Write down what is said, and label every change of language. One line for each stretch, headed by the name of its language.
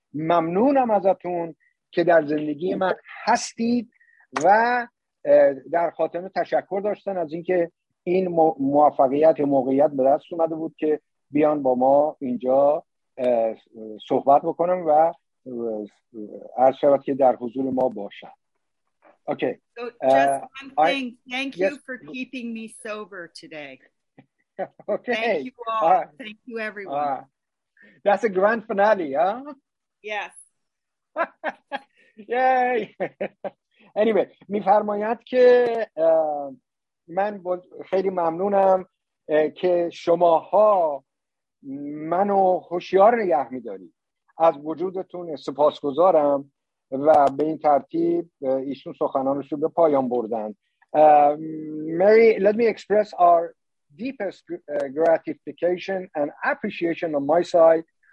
Persian: ممنونم ازتون که در زندگی من هستید و در خاتمه تشکر داشتن از اینکه این موفقیت موقعیت به دست اومده بود که بیان با ما اینجا صحبت بکنم و عرض شود که در حضور ما باشم.
English: Okay. So just one thing. Thank you for keeping me sober today. Okay. Thank you all. Thank you everyone. That's a grand finale, huh? Yes. Yay. Anyway,
Persian: میفرماید که من خیلی ممنونم که شماها منو هوشیار نگه میداری، از وجودتون سپاسگزارم، و به این ترتیب ایشون سخنانشو به پایان بردن.
English: Mary, let me express our deepest gratification and appreciation on my side.